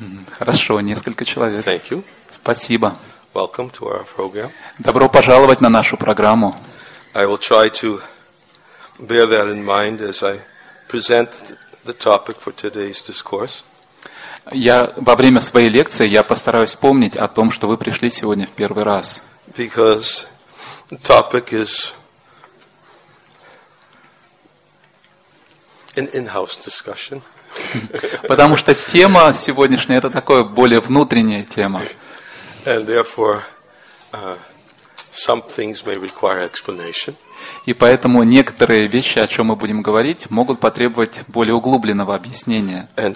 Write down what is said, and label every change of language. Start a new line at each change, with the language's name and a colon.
Russian: Хорошо, несколько человек.
English: Thank you.
Russian: Спасибо.
English: Welcome to our program.
Russian: Добро пожаловать на нашу программу.
English: I will try to bear that in mind as I present the topic for today's discourse.
Russian: Я во время своей лекции я постараюсь помнить о том, что вы пришли сегодня в первый раз.
English: Because the topic is an in-house discussion.
Russian: Потому что тема сегодняшняя это такое более внутренняя тема.
English: And therefore some things may require explanation.
Russian: И поэтому некоторые вещи, о чем мы будем говорить, могут потребовать более углубленного объяснения.